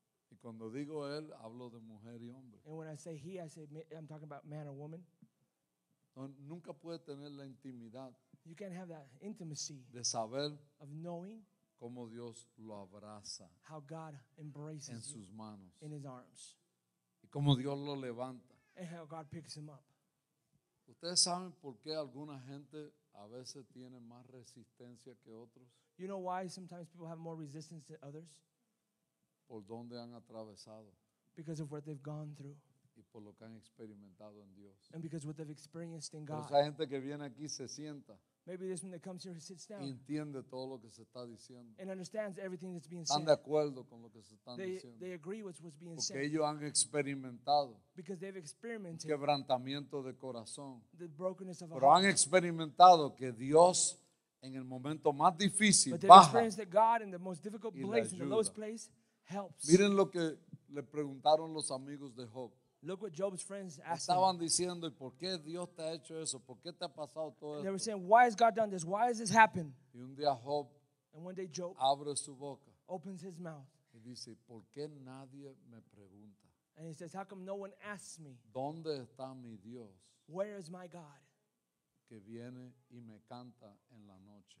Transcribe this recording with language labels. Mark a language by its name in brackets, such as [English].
[Spanish] Y cuando digo él, hablo de mujer y hombre. [English] And when I say he, I say I'm talking about man or woman. [Spanish] No, nunca puede tener la intimidad. [English] You can't have that intimacy. [Spanish] De saber. [English] Of knowing. [Spanish] Cómo Dios lo abraza. [English] How God embraces [Spanish] en sus manos. [English] In his arms. [Spanish] Y cómo Dios lo levanta. [English] And how God picks him up. [Spanish] ¿Ustedes saben por qué alguna gente a veces tiene más resistencia que otros? [English] You know why sometimes people have more resistance than others? [Spanish] Por dónde han atravesado. [English] Because of what they've gone through. [Spanish] Y por lo que han experimentado en Dios. [English] And because what they've experienced in God. [Spanish] Por esa gente que viene aquí se sienta. [English] Maybe this one that comes here sits down. [Spanish] Y entiende todo lo que se está diciendo. [English] And understands everything that's being [Spanish] están [English] said. [Spanish] Están de acuerdo con lo que se están [English] they, [Spanish] diciendo. [English] They agree with what's being [Spanish] porque [English] said. [Spanish] Porque ellos han experimentado. [English] Because they've experimented. [Spanish] Quebrantamiento de corazón. [English] The brokenness of [Spanish] pero [English] heart. [Spanish] Pero han experimentado que Dios en el momento más difícil baja. [English] But they've experienced that God in the most difficult place, in the lowest place, helps. [Spanish] Miren lo que le preguntaron los amigos de Job. [English] Look what Job's friends asked him. [Spanish] Estaban diciendo, ¿y por qué Dios te ha hecho eso? ¿Por qué te ha pasado todo esto? [English] They were saying, why has God done this? Why has this happened? [Spanish] Y un día Job, [English] and one day Job [Spanish] abre su boca, [English] opens his mouth. [Spanish] Y dice, ¿por qué nadie me pregunta? [English] And he says, how come no one asks me? [Spanish] ¿Dónde está mi Dios? [English] Where is my God? [Spanish] Que viene y me canta en la noche.